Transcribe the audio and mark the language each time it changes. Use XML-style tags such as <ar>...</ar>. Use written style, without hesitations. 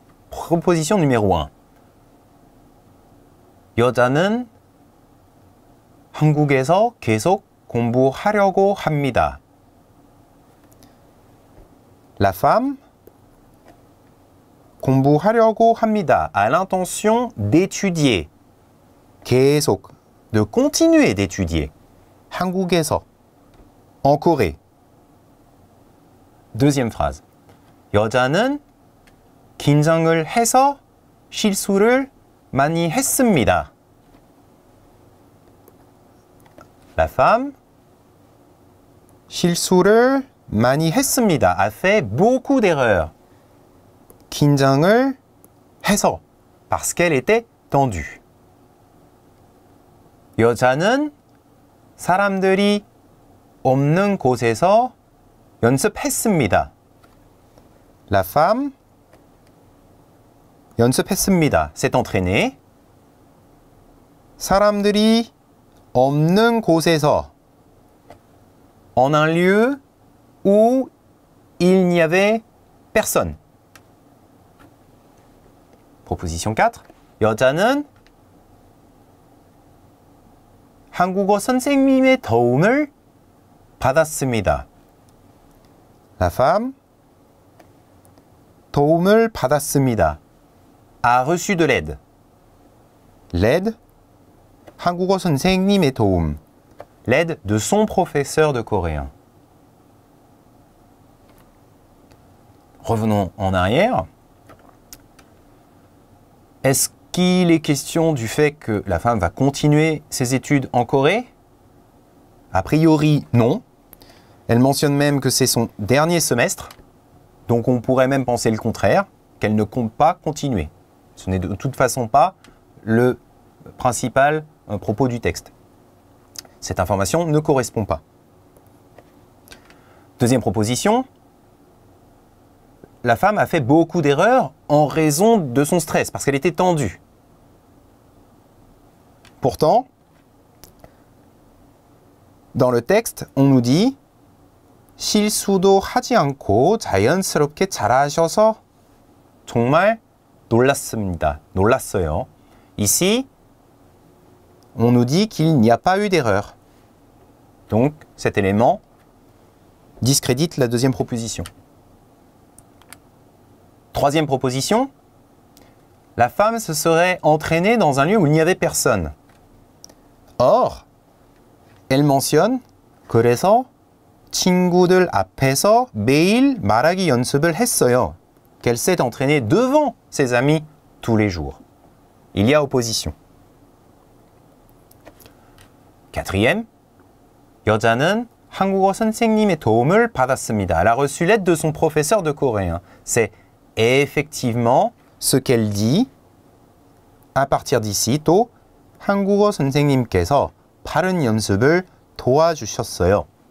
<fr>Proposition numéro 1.</fr> <ko>여자는 한국에서 계속 공부하려고 합니다.</ko> <fr>La femme</fr> <ko>공부하려고 합니다.</ko> <fr>A l'intention d'étudier.</fr> <ko>계속</ko> <fr>de continuer d'étudier.</fr> <ko>한국에서</ko> <fr>en Corée. Deuxième phrase.</fr> <ko>여자는 긴장을 해서 실수를 많이 했습니다.</ko> <fr>La femme</fr> <ko>실수를 많이 했습니다.</ko> <fr>A fait beaucoup d'erreurs.</fr> <ko>긴장을 해서.</ko> <fr>Parce qu'elle était tendue.</fr> <ko>여자는 사람들이 없는 곳에서 연습했습니다.</ko> <fr>La femme</fr> <ko>연습했습니다.</ko> <fr>S'est entraînée.</fr> <ko>사람들이 없는 곳에서.</ko> <fr>En un lieu où il n'y avait personne. Proposition 4.</fr> <ko>여자는 한국어 선생님의 도움을 받았습니다.</ko> <fr>La femme</fr> <ko>도움을 받았습니다.</ko> <fr>A reçu de l'aide. L'aide</fr> <ko>한국어 선생님의 도움.</ko> <fr>L'aide de son professeur de coréen. Revenons en arrière. Est-ce qu'il est question du fait que la femme va continuer ses études en Corée? A priori, non. Elle mentionne même que c'est son dernier semestre. Donc on pourrait même penser le contraire, qu'elle ne compte pas continuer. Ce n'est de toute façon pas le principal propos du texte. Cette information ne correspond pas. Deuxième proposition. La femme a fait beaucoup d'erreurs en raison de son stress, parce qu'elle était tendue. Pourtant, dans le texte, on nous dit</fr> <ko>실수도 하지 않고 자연스럽게 잘하셔서 정말 놀랐습니다. 놀랐어요.</ko> <fr>Ici, on nous dit qu'il n'y a pas eu d'erreur. Donc, cet élément discrédite la deuxième proposition. Troisième proposition, la femme se serait entraînée dans un lieu où il n'y avait personne. Or, elle mentionne</fr> <ko>그래서 친구들 앞에서 매일 말하기 연습을 했어요.</ko> <fr>Qu'elle s'est entraînée devant ses amis tous les jours. Il y a opposition. Quatrième,</fr> <ko>여자는 한국어 선생님의 도움을 받았습니다.</ko> <fr>Elle a reçu l'aide de son professeur de coréen. C'est effectivement ce qu'elle dit à partir d'ici,</fr> <ko>또 한국어 선생님께서 빠른 연습을 도와주셨어요.</ko>